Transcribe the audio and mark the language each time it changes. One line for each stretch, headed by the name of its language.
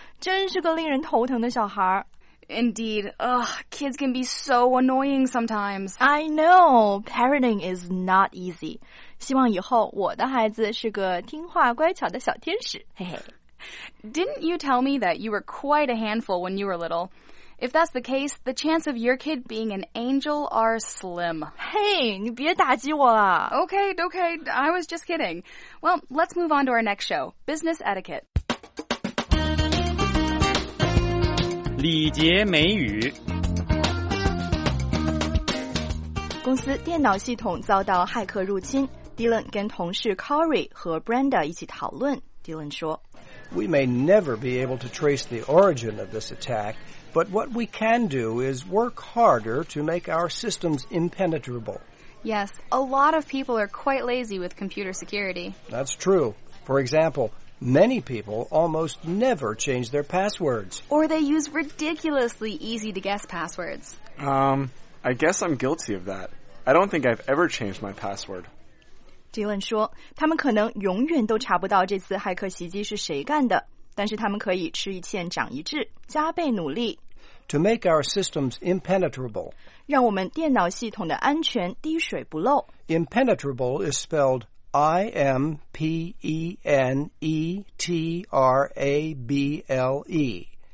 Chinese: 真是个令人头疼的小孩。
English: Indeed. Ugh, kids can be so annoying sometimes. I know. Parenting is not easy.
Chinese: 希望以后我的孩子是个听话乖巧的小天使。嘿嘿。
English: Didn't you tell me that you were quite a handful when you were little? If that's the case, the chance of your kid being an angel are slim.
Chinese: Hey, 你别打击我了。
English: Okay, okay, I was just kidding. Well, let's move on to our next show, Business Etiquette.
Chinese: 礼节美语。公司电脑系统遭到骇客入侵。 Dylan 跟同事 Corey 和 Brenda 一起讨论。Dylan 说
English: We may never be able to trace the origin of this attack, but what we can do is work harder to make our systems impenetrable. Yes, a lot of people are quite lazy with computer security. That's true. For example, many people almost never change their passwords. Or they use ridiculously easy-to-guess passwords. I guess I'm guilty of that. I don't think I've ever changed my password.
Chinese: Dylan 说他们可能永远都查不到这次骇客袭击是谁干的，但是他们可以吃一堑长一智，加倍努力。
English: To make our systems impenetrable.
Chinese: 让我们电脑系统的安全滴水不漏。
English: Impenetrable is spelled I-M-P-E-N-E-T-R-A-B-L-E.